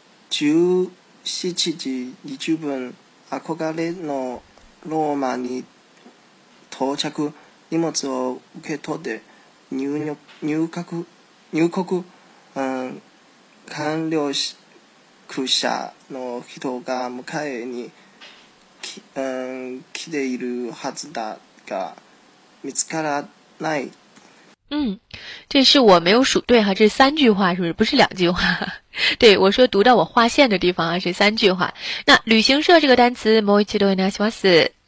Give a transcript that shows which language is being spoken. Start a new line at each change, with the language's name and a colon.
Japanese: 17時20分、憧れのローマに到着、荷物を受け取って入国、完了者の人が迎えに、来ているはずだが、見つからない。
Chinese: 这是我没有数对哈，这是三句话，是不是？不是两句话。对，我说读到我划线的地方啊，是三句话。那旅行社这个单词，
Japanese: もう一度お願いします。